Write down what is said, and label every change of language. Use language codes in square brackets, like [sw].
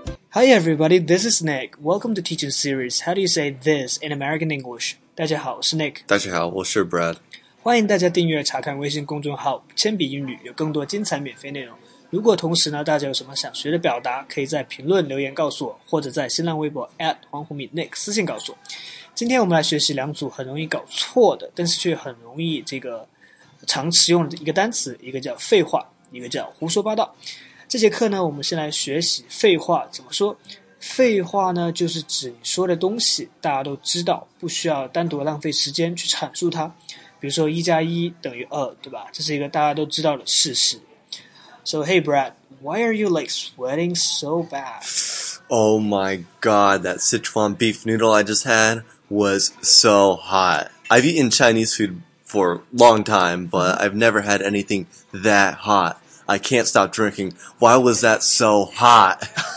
[en] Hi everybody, this is Nick. Welcome to teaching series. How do you say this in American English? [zh] 大家好，我是 Nick。大家好，我是 Brad。欢迎大家订阅查看微信公众号“铅笔英语”，有更多精彩免费内容。如果同时呢，大家有什么想学的表达，可以在评论留言告诉我，或者在新浪微博 @ 黄宏敏 Nick 私信告诉我。今天我们来学习两组很容易搞错的，但是却很容易这个常使用的一个单词，一个叫废话，一个叫胡说八道。这节课呢，我们先来学习废话怎么说。废话呢，就是指你说的东西大家都知道，不需要单独浪费时间去阐述它。比如说一加一等于二，对吧？这是一个大家都知道的事实。 [en] So hey Brad, why are you like sweating so bad? Oh my god, that Sichuan beef noodle I just had was so hot. I've eaten Chinese food for a long time, but I've never had anything that hot. I can't stop drinking. Why was that so hot?